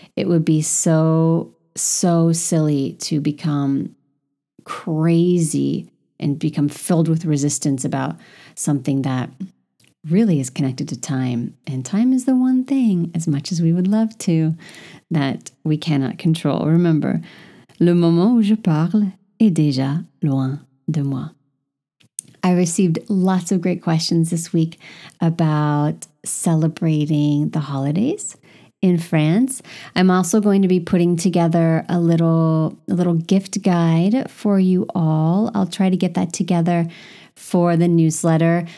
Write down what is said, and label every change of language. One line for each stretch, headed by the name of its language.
English: It would be so silly to become crazy and become filled with resistance about something that really is connected to time. And time is the one thing, as much as we would love to, that we cannot control. Remember,
French: le moment où je parle est déjà loin de moi.
English: I received lots of great questions this week about celebrating the holidays in France. I'm also going to be putting together a little gift guide for you all. I'll try to get that together for the newsletter.